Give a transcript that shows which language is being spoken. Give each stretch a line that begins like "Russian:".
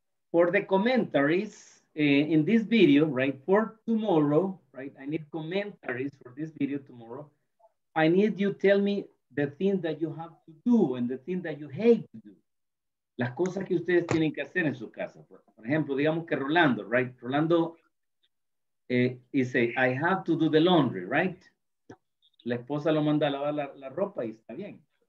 English: For the commentaries in this video, right, for tomorrow, right, I need commentaries for this video tomorrow. I need you tell me the things that you have to do and the things that you hate to do.
Spanish: Las cosas que ustedes tienen que hacer en su casa. Por ejemplo, digamos que Rolando, right?
English: Rolando, dice, I have to do the laundry, right?
Spanish: La esposa lo manda a lavar la ropa y está bien.